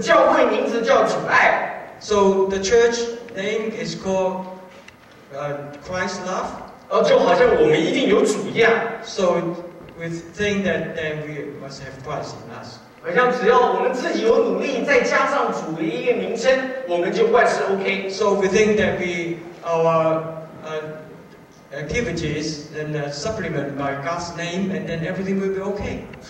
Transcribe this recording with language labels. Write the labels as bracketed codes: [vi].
[zh] 教会名字叫主爱。 [en] So the church name is called Christ Love. [zh] 就好像我们一定有主一样。 [en] So we think that then we must have Christ in us. [zh] 好像只要我们自己有努力，再加上主的一个名称，我们就万事OK。 [en] So we think that we our activities and supplement by God's name, and then everything will be okay.